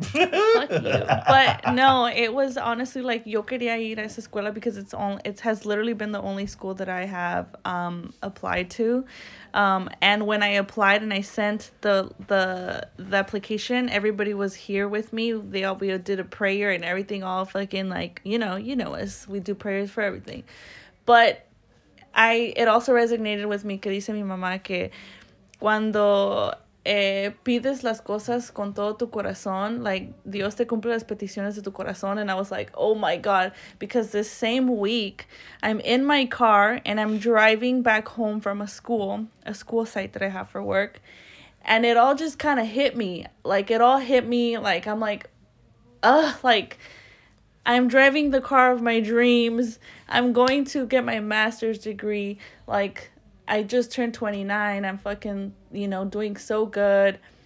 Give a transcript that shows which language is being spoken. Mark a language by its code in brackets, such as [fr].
[en] But no, it was honestly like, [es] yo quería ir a esa escuela [en] because it has literally been the only school that I have applied to. And when I applied and I sent the application, everybody was here with me. We did a prayer and everything, all fucking, like, you know us, we do prayers for everything. But it also resonated with me, [es] que dice mi mamá que cuando pides las cosas con todo tu corazón, [en] like, [es] Dios te cumple las peticiones de tu corazón. [en] And I was like, oh my God, because this same week I'm in my car and I'm driving back home from a school site that I have for work, and it all just kind of hit me. Like, it all hit me, like, I'm like, ugh, like, I'm driving the car of my dreams, I'm going to get my master's degree, like, I just turned 29. I'm fucking, you know, doing so good.